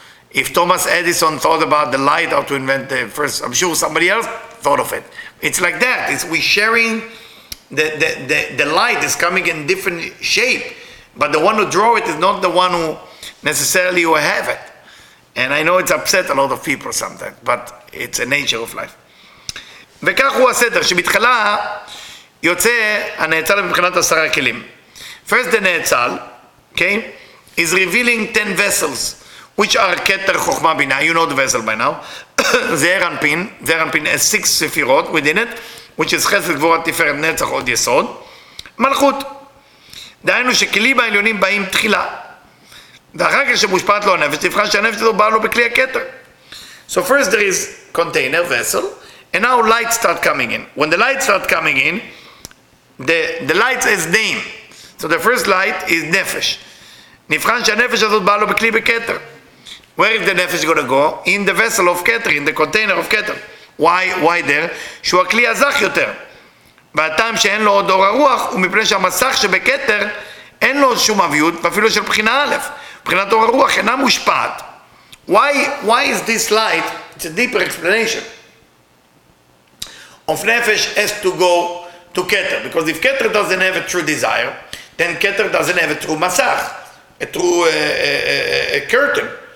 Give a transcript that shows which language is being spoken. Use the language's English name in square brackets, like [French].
[English] If Thomas Edison thought about the light, how to invent the first, I'm sure somebody else thought of it. It's like that. It's we sharing the light is coming in different shape, but the one who draw it is not the one who necessarily will have it. And I know it's upset a lot of people sometimes, but it's a nature of life. [Hebrew] וכך הוא הסדר, שבתחלה יוצא הנאצל מבחינת 10 כלים. [English] First, the נאצל, okay, is revealing 10 vessels. Which are Keter Chochma Bina, you know the vessel by now. Zeranpin has 6 Sefirot within it, which is Chesed, Gvura, Tiferet, Netzach, Od Yesod. Malchut. [Hebrew] דהיינו שכלים העליונים באים תחילה. ואחר כך שמושפעת לו הנפש, תבחן שהנפש הזו באה לו בכלי הקטר. [English] So first there is container, vessel, and now light start coming in. When the light start coming in, the light has name. So the first light is Nefesh. [Hebrew] נבחן שהנפש הזאת באה לו בכלי בקטר. [English] Where is the nefesh going to go? In the vessel of Keter, in the container of Keter. Why there? [Hebrew] שהוא הכלי הזך יותר. והטעם שאין לו עוד אור הרוח, הוא מפני שהמסך שבקטר, אין לו שום אביות, ואפילו של בחינה א', בחינת אור הרוח, אינה מושפעת. [English] Why is this light? It's a deeper explanation. Of nefesh has to go to Keter. Because if Keter doesn't have a true desire, then Keter doesn't have a true masach, a true curtain.